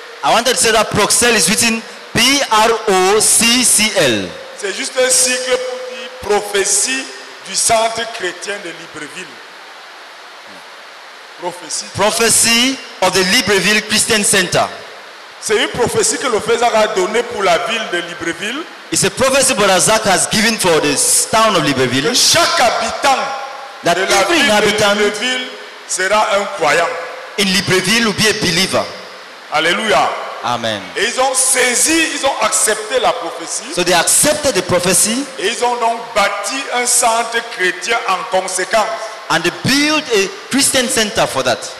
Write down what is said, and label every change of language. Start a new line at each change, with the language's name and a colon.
English: I wanted to say that Bruxelles is written P-R-O-C-C-L.
French: C'est juste un cycle pour prophétie du centre chrétien de Libreville. Prophétie
English: of the Libreville Christian Center.
French: C'est une prophétie que le Fésar a donné pour la ville de Libreville.
English: It's a prophecy Brother Zach has given for the town of Libreville.
French: Que chaque habitant
English: that
French: de la ville habitant de Libreville sera un croyant.
English: In Libreville will be a believer.
French: Alléluia.
English: Amen.
French: Et ils ont saisi, ils ont accepté la prophétie.
English: So they accepted the prophecy.
French: Et ils ont donc bâti un centre chrétien en conséquence.
English: And they built a Christian center for that.